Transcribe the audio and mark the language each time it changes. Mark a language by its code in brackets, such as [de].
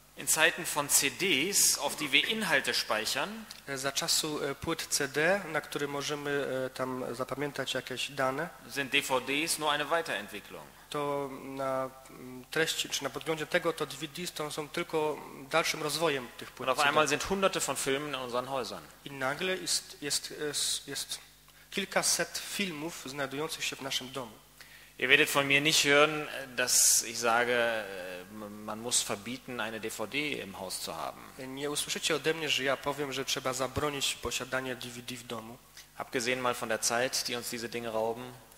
[de] In Zeiten von CDs, auf die wir Inhalte speichern, [pl] za czasu płyt CD, na który możemy tam zapamiętać jakieś dane, [de] sind DVDs nur eine Weiterentwicklung. [pl] To na treści, czy na podglądzie tego, to DVD są tylko dalszym rozwojem tych płyt. [de] Und auf einmal sind hunderte von Filmen in unseren Häusern. [pl] I nagle jest kilkaset filmów znajdujących się w naszym domu. [de] Ihr werdet von mir nicht hören, dass ich sage, man muss verbieten, eine DVD im Haus zu haben. [pl] Nie usłyszycie ode mnie, że ja powiem, że trzeba zabronić posiadania DVD w domu. [de] Abgesehen mal von der Zeit, die uns diese Dinge rauben.